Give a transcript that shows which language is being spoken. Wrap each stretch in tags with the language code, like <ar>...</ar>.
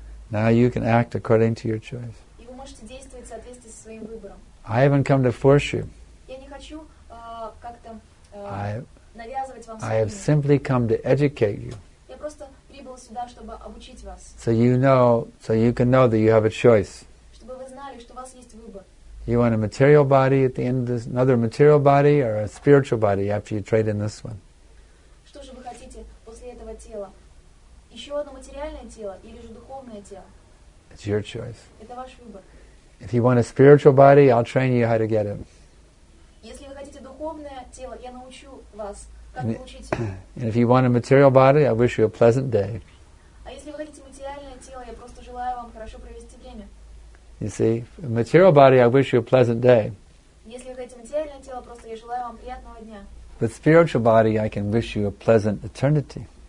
<en>Now you can act according to your choice.</en> <ru>И вы можете действовать в соответствии со своим выбором.</ru> <en>I haven't come to force you.</en> <ru>Я не хочу как-то навязывать вам свои мнения.</ru> <en>I have simply come to educate you.</en> <ru>Я просто прибыл сюда, чтобы обучить вас.</ru> <en>So you can know that you have a choice.</en> <ru>Чтобы вы знали, что у вас есть выбор.</ru> <en>You want a material body at the end of this, another material body or a spiritual body after you trade in this one?</en> <ru>Что же вы хотите после этого тела? Еще одно материальное тело или же духовное тело?</ru> <en>It's your choice.</en> <ru>Это ваш выбор.</ru> <en>If you want a spiritual body, I'll train you how to get it.</en> <ru>Если вы хотите духовное тело, я научу вас, как получить его.</ru> <en>And if you want a material body, I wish you a pleasant day.</en> <ru>А если вы хотите материальное тело, я просто желаю вам хорошо провести время.</ru> <en>You see, a material body, I wish you a pleasant day.</en> <ru>Если вы хотите материальное тело, просто я желаю вам приятного дня.</ru> <en>But spiritual body, I can wish you a pleasant eternity.</en>